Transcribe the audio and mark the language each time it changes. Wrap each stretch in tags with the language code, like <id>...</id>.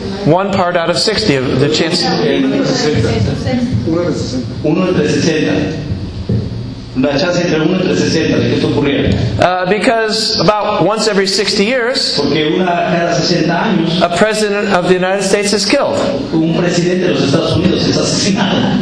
<en>One part out of 60 of the chance. 1 out of 60. 1 out of 60.</en> <es>La chance entre 1 entre 60 de que esto ocurriera.</es> <en>Because about once every 60 years,</en> <es>porque una cada 60 años,</es> <en>a president of the United States is killed.</en> <es>Un presidente de los Estados Unidos es asesinado.</es>